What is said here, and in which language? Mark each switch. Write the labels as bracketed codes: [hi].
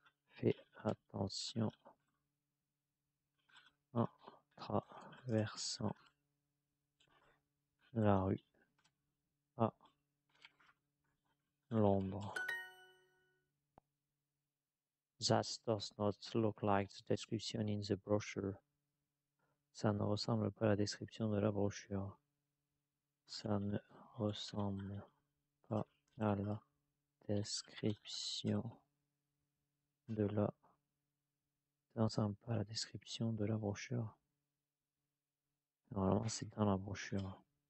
[fr] Fais attention en traversant la rue à Londres. [en] That does not look like the description in the brochure. [fr] Ça ne ressemble pas à la description de la brochure. Ça ne ressemble pas à la description de la. Ça ne ressemble pas à la description de la brochure. Normalement, c'est dans la brochure.